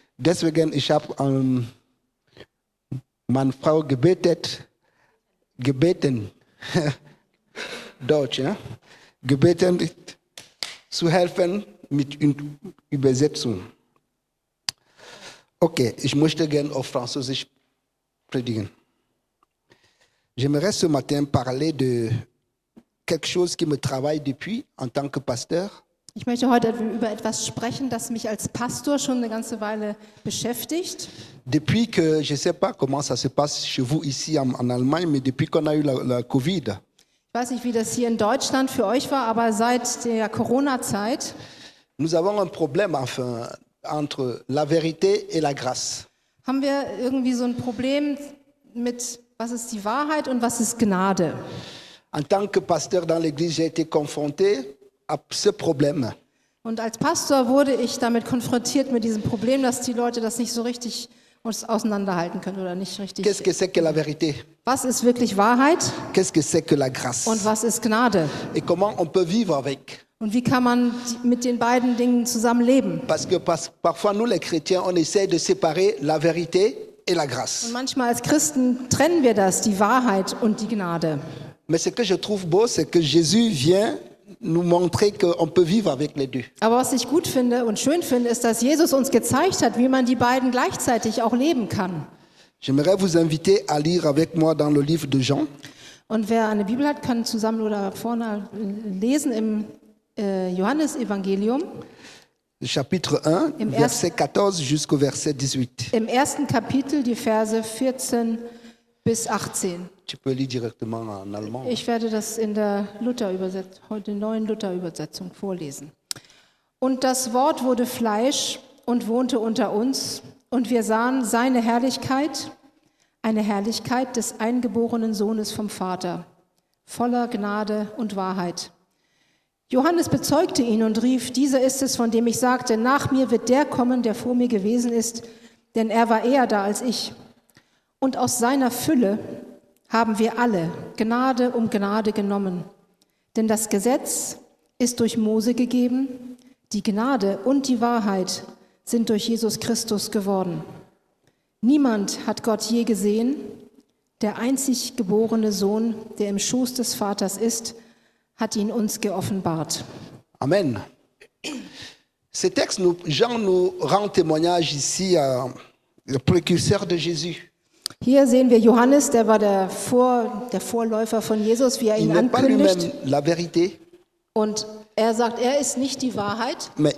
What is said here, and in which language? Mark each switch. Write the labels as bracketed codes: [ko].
[de] Deswegen, ich habe meine Frau gebeten, Deutsch, ja? Gebeten, zu helfen mit Übersetzung. Okay, ich möchte gerne auf Französisch predigen. [fr] J'aimerais ce matin parler de quelque chose qui me travaille depuis en tant que pasteur. [de] Ich möchte heute über etwas sprechen, das mich als Pastor schon eine ganze Weile beschäftigt. [fr] Depuis que je sais pas comment ça se passe chez vous ici en Allemagne, mais depuis qu'on a eu la Covid. [de] Ich weiß nicht, wie das hier in Deutschland für euch war, aber seit der Corona-Zeit. [fr] Nous avons un problème enfin entre la vérité et la grâce. [de] Haben wir irgendwie so ein Problem mit was ist die Wahrheit und was ist Gnade? [fr] En tant que pasteur dans l'église, j'ai été confronté à ce problème. [de] Und als Pastor wurde ich damit konfrontiert mit diesem Problem, dass die Leute das nicht so richtig auseinanderhalten können oder nicht richtig. [fr] Qu'est-ce que c'est que la vérité? [de] Was ist wirklich Wahrheit? [fr] Qu'est-ce que c'est que la grâce? [de] Und was ist Gnade? [fr] Et comment on peut vivre avec? [de] Und wie kann man mit den beiden Dingen zusammenleben? [fr] Parce que parfois nous les chrétiens on essaie de séparer la vérité et la grâce. [de] Und manchmal als Christen trennen wir das, die Wahrheit und die Gnade. [fr] Mais ce que je trouve beau, c'est que Jésus vient nous montrer qu'on peut vivre avec les deux. [de] Aber was ich gut finde und schön finde, ist, dass Jesus uns gezeigt hat, wie man die beiden gleichzeitig auch leben kann. [fr] J'aimerais vous inviter à lire avec moi dans le livre de Jean. [de] Und wer eine Bibel hat, kann zusammen oder vorne lesen im Johannes Evangelium. [fr] Chapitre 1, verset 14 jusqu'au verset 18. [de] Im ersten Kapitel die Verse 14 bis 18. [fr] Tu peux lire directement en allemand. [de] Ich werde das in der neuen Luther-Übersetzung vorlesen. Und das Wort wurde Fleisch und wohnte unter uns, und wir sahen seine Herrlichkeit, eine Herrlichkeit des eingeborenen Sohnes vom Vater, voller Gnade und Wahrheit. Johannes bezeugte ihn und rief: Dieser ist es, von dem ich sagte, nach mir wird der kommen, der vor mir gewesen ist, denn er war eher da als ich. Und aus seiner Fülle haben wir alle Gnade um Gnade genommen. Denn das Gesetz ist durch Mose gegeben, die Gnade und die Wahrheit sind durch Jesus Christus geworden. Niemand hat Gott je gesehen. Der einzig geborene Sohn, der im Schoß des Vaters ist, hat ihn uns geoffenbart. Amen. [fr] Ce texte nous, Jean nous rend témoignage ici à le précurseur de Jésus. [de] Hier sehen wir Johannes, der war der Vorläufer von Jesus, wie er ihn ankündigt. Und er sagt, er ist nicht die Wahrheit.